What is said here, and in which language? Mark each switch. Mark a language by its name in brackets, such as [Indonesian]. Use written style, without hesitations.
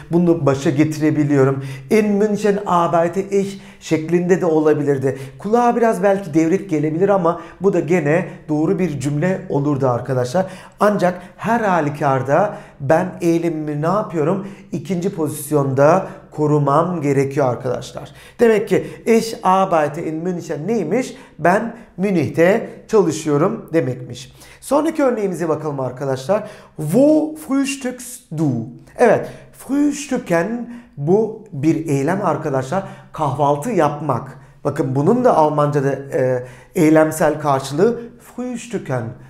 [Turkish] Bunu başa getirebiliyorum. [German] In München arbeite ich [Turkish] şeklinde de olabilirdi. Kulağa biraz belki devrik gelebilir ama bu da gene doğru bir cümle olurdu arkadaşlar. Ancak her halükarda ben eylemimi ne yapıyorum? İkinci pozisyonda korumam gerekiyor arkadaşlar. Demek ki [German] ich arbeite in München [Turkish] neymiş? Ben Münih'te çalışıyorum demekmiş. Sonraki örneğimize bakalım arkadaşlar. [German] Wo frühstückst du? [Turkish] Evet, frühstücken bu bir eylem arkadaşlar. Kahvaltı yapmak. Bakın bunun da Almanca'da eylemsel karşılığı frühstücken.